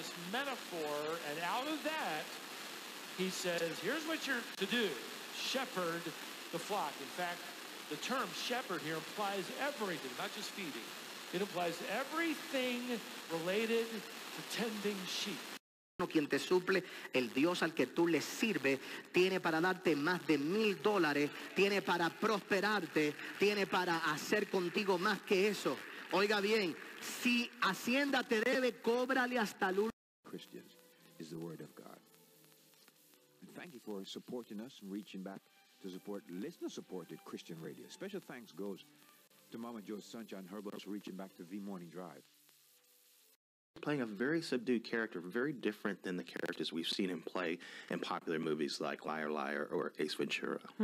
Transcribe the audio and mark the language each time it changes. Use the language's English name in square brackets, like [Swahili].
[English] Metaphor, and out of that, he says, here's what you're to do, shepherd the flock. In fact, the term shepherd here implies everything, not just feeding. It implies everything related to tending sheep. [Spanish] Quien te suple, el Dios al que tú le sirves, tiene para darte más de $1,000, tiene para prosperarte, tiene para hacer contigo más que eso. Oiga bien, si Hacienda te debe, cóbrale hasta el último. [English] Christians is the word of God. And thank you for supporting us and reaching back to support listener-supported Christian radio. Special thanks goes to Mama Jo Sunshine Herbert for reaching back to The Morning Drive. Playing a very subdued character, very different than the characters we've seen him play in popular movies like Liar Liar or Ace Ventura.